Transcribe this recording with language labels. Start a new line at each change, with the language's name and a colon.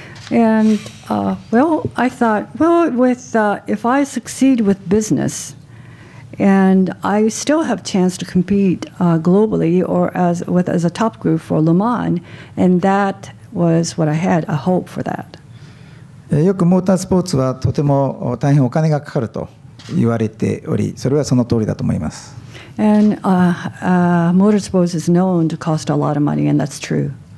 English: And well, I thought, well, if I succeed with business, and I still have chance to compete globally or as a top group for Le Mans, and that was what I had a hope for that.
Japanese: よくモータースポーツはとても大変お金がかかると言われており、それはその通りだと思います。
English: And motorsports is known to cost a lot of money, and that's true.